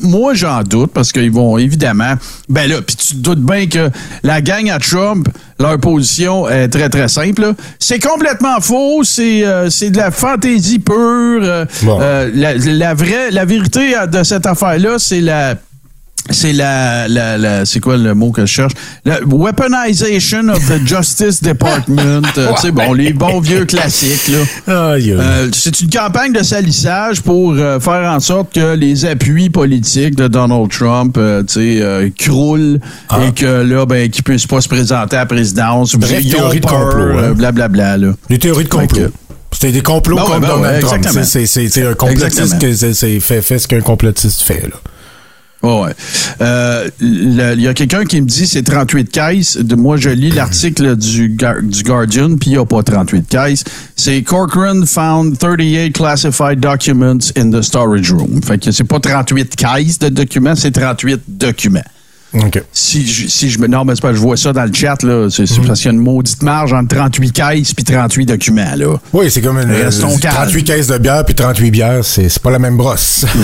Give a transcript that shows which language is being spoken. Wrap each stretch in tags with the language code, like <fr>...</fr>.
<fr>Moi j'en doute parce qu'ils vont évidemment, ben là, puis tu te doutes bien que la gang à Trump, leur position est très très simple. Là. C'est complètement faux, c'est de la fantaisie pure. La vérité de cette affaire-là, c'est la c'est quoi le mot que je cherche?</fr> <en>La weaponization of the Justice Department.</en> <fr>Tu sais, bon, les bons vieux classiques, là. C'est une campagne de salissage pour faire en sorte que les appuis politiques de Donald Trump, tu sais, croulent et que là, ben, qu'ils puissent pas se présenter à la présidence. Bref, théorie de complot. Blablabla, là. Les théories de complot. C'est des complots comme Donald Trump. C'est un complotiste qui fait ce qu'un complotiste fait, là. Oh ouais. Il y a quelqu'un qui me dit c'est 38 caisses. Moi, je lis l'article du Guardian, puis il n'y a pas 38 caisses.</fr> <en>C'est Corcoran found 38 classified documents in the storage room.</en> <fr>Fait que c'est pas 38 caisses de documents, c'est 38 documents. OK. Non, mais c'est pas, je vois ça dans le chat, là. C'est parce qu'il y a une maudite marge entre 38 caisses puis 38 documents, là. Oui, c'est comme une. 38 caisses de bière puis 38 bières, c'est pas la même brosse.</fr>